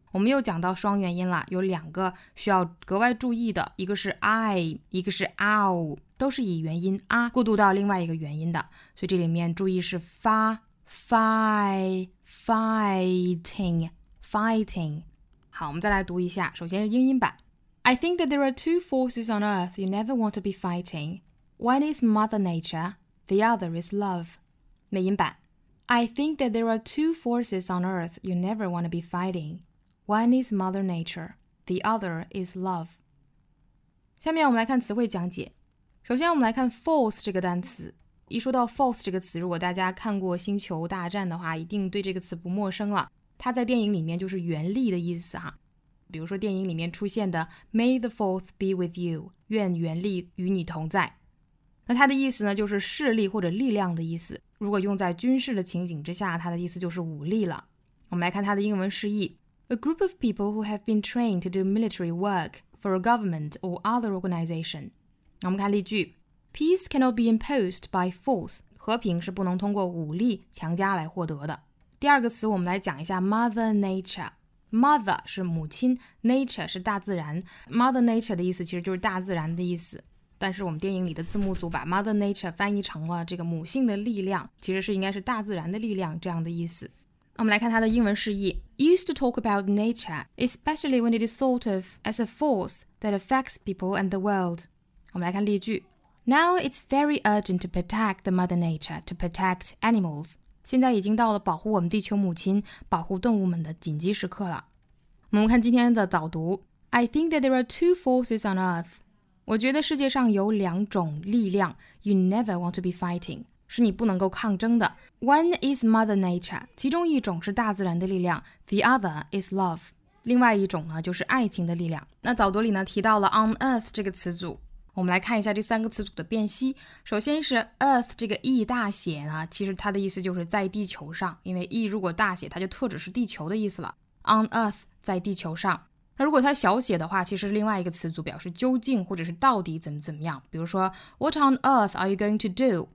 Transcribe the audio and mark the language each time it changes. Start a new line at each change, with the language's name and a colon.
Chinese: 我们又讲到双元音了，有两个需要格外注意的，一个是 i， 一个是 ow， 都是以元音 a 过渡到另外一个元音的，所以这里面注意是 fighting。好，我们再来读一下，首先是英音版。
English: I think that there are two forces on earth you never want to be fighting. One is mother nature, the other is love.
Chinese: 美音版。
English: I think that there are two forces on earth you never want to be fighting. One is Mother Nature, the other is love.
Chinese: 下面我们来看词汇讲解。首先我们来看 force 这个单词。一说到 force 这个词，如果大家看过星球大战的话，一定对这个词不陌生了。它在电影里面就是原力的意思哈。比如说电影里面出现的
English: May the force be with you,
Chinese: 愿原力与你同在。那它的意思呢就是势力或者力量的意思。如果用在军事的情景之下，它的意思就是武力了。我们来看它的英文释义。
English: A group of people who have been trained to do military work for a government or other organization.
Chinese: 我们看例句。
English: Peace cannot be imposed by force.
Chinese: 和平是不能通过武力强加来获得的。第二个词我们来讲一下 Mother Nature。Mother 是母亲， Nature 是大自然。 Mother Nature 的意思其实就是大自然的意思。但是我们电影里的字幕组把 Mother Nature 翻译成了这个母性的力量，其实是应该是大自然的力量这样的意思。我们来看它的英文释义。
English: Used to talk about nature, especially when it is thought of as a force that affects people and the world.
Chinese: 我们来看例句。
English: Now it's very urgent to protect the mother nature, to protect animals.
Chinese: 现在已经到了保护我们地球母亲、保护动物们的紧急时刻了。我们看今天的早读。
English: I think that there are two forces on earth.
Chinese: 我觉得世界上有两种力量
English: You never want to be fighting
Chinese: 是你不能够抗争的
English: One is mother nature
Chinese: 其中一种是大自然的力量
English: The other is love
Chinese: 另外一种呢就是爱情的力量那早读里呢提到了 on earth 这个词组我们来看一下这三个词组的辨析首先是 earth 这个 e 大写呢其实它的意思就是在地球上因为 e 如果大写它就特指是地球的意思了 on earth 在地球上那如果它小写的话其实是另外一个词组表示究竟或者是到底怎么怎么样比如说
English: What on earth are you going to do?